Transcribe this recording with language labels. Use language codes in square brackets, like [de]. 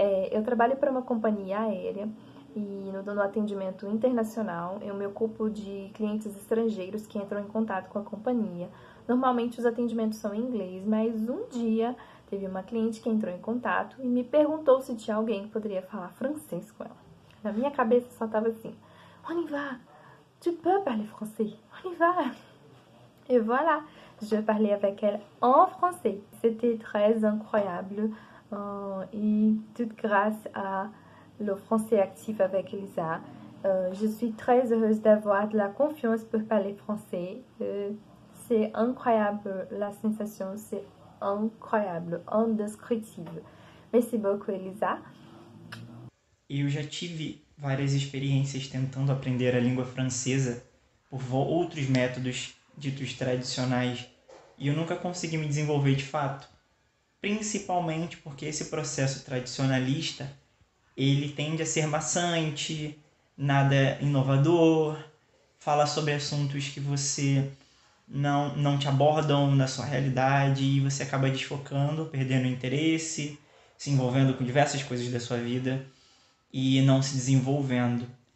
[pt] Eu trabalho para uma companhia aérea e no atendimento internacional eu me ocupo de clientes estrangeiros que entram em contato com a companhia. Normalmente os atendimentos são em inglês, mas um dia teve uma cliente que entrou em contato e me perguntou se tinha alguém que poderia falar francês com ela. Na minha cabeça só estava assim: [fr] on y va! Tu peux parler français? On y va! Et voilà, je parlais avec elle en français. C'était très incroyable. Et toute grâce à le français actif avec Elisa, je suis très heureuse d'avoir de la confiance pour parler français. C'est incroyable, la sensation, c'est incroyable, indescriptible. Merci beaucoup, Elisa. [pt] Eu já tive várias experiências tentando aprender a língua francesa por outros métodos ditos tradicionais e eu nunca consegui me desenvolver de fato, principalmente porque esse processo tradicionalista ele tende a ser maçante, nada inovador, fala sobre assuntos que você não te abordam na sua realidade e você acaba desfocando, perdendo interesse, se envolvendo com diversas coisas da sua vida e não se desenvolvendo.